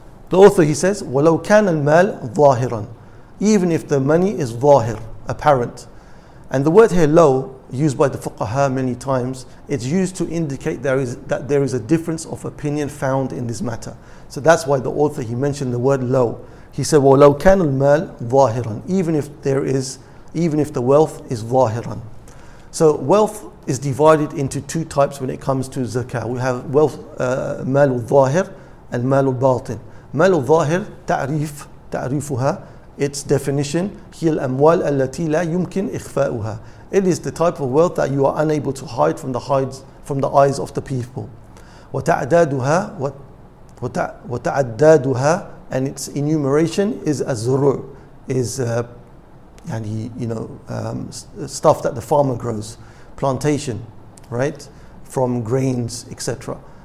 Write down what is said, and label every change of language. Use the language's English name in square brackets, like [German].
[English] The author, he says, [Arabic] وَلَوْ كَانَ الْمَالِ ظَاهِرًا. [English] Even if the money is ظاهر, apparent. And the word here, low, used by the fuqaha many times, it's used to indicate there is a difference of opinion found in this matter. So that's why the author, he mentioned the word low. He said, [Arabic] وَلَوْ كَانَ الْمَالِ ظَاهِرًا. [English] Even if the wealth is ظاهِرًا. So wealth is divided into two types when it comes to zakah. We have wealth, [Arabic] مَالُ الظَاهِرِ [English] and [Arabic] مَالُ الْبَاطِنِ. مال الظاهر تعريف تعريفها, [English] its definition, [Arabic] هي الأموال التي لا يمكن إخفاؤها. [English] It is the type of wealth that you are unable to hide from the eyes of the people. [Arabic] وتعدادها وتعدادها, [English] and its enumeration is الزروع, is [Arabic] يعني, [English] you know, stuff that the farmer grows, plantation, right, from grains, etc.